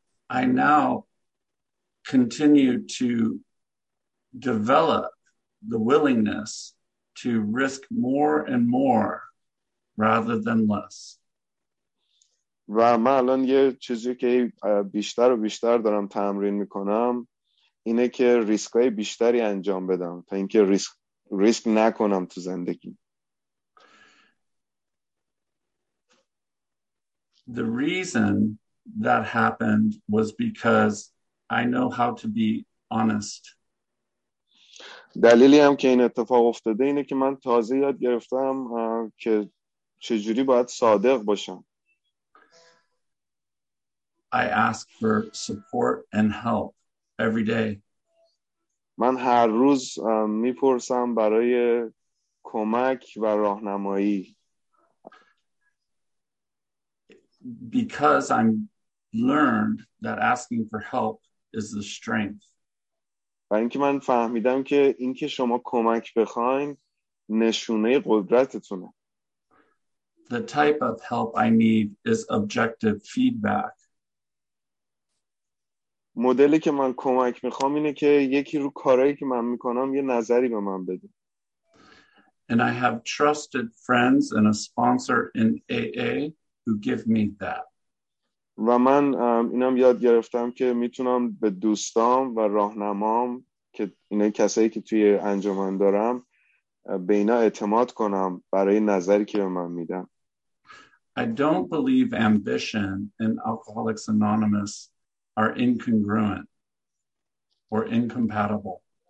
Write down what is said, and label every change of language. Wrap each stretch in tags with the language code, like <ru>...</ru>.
<en>I now continue to develop the willingness to risk more and more rather than less.</en> <fa>و من الان یه چیزی که بیشتر و بیشتر دارم تمرین میکنم اینه که ریسک‌های بیشتری انجام بدم تا اینکه ریسک نکنم تو زندگی.</fa> <en>The reason that happened was because I know how to be honest.</en> <fa>دلیلی هم که این اتفاق افتاده اینه که من تازه یاد گرفتم که چجوری باید صادق باشم.</fa> <en>I ask for support and help every day.</en> <fa>من هر روز میپرسم برای کمک و راهنمایی.</fa> <en>Because I've learned that asking for help is the strength.</en> <fa>برای اینکه من فهمیدم که اینکه شما کمک بخواین نشونه قدرتتونه.</fa> <en>The type of help I need is objective feedback.</en> <fa>مدلی که من کمک میخوام اینه که یکی رو کارهایی که من میکنم یه نظری به من بده.</fa> <en>And I have trusted friends and a sponsor in AA who give me that.</en> <fa>و من اینم یاد گرفتم که میتونم به دوستام و راهنمام که اینا کسایی که توی انجمن دارم به اینا اعتماد کنم برای نظری که به من میدن.</fa> <en>I don't believe ambition and Alcoholics Anonymous are incongruent or incompatible.</en>